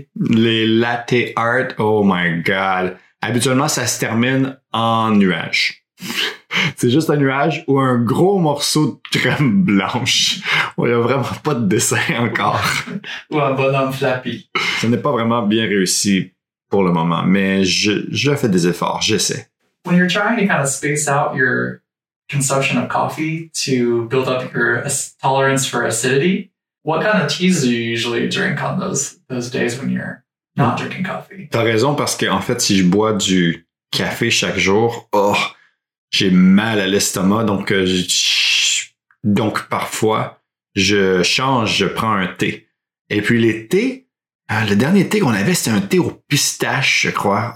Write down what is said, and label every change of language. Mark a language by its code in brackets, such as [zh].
[fr] Les latte art, [en] oh my god. [fr] Habituellement, ça se termine en nuage. C'est juste un nuage ou un gros morceau de crème blanche. Il n'y a vraiment pas de dessin encore. Ou un bonhomme flappy. Ça n'est pas vraiment bien réussi. Pour le moment, mais je fais des efforts, j'essaie. [en] when you're trying to kind of space out your consumption of coffee to build up your tolerance for acidity, what kind of teas do you usually drink on those days when you're not drinking coffee? [fr] T'as raison, parce qu'en fait, si je bois du café chaque jour, oh, j'ai mal à l'estomac, donc parfois, je change, je prends un thé. Et puis les thés, le dernier thé qu'on avait, c'était un thé aux pistaches, je crois.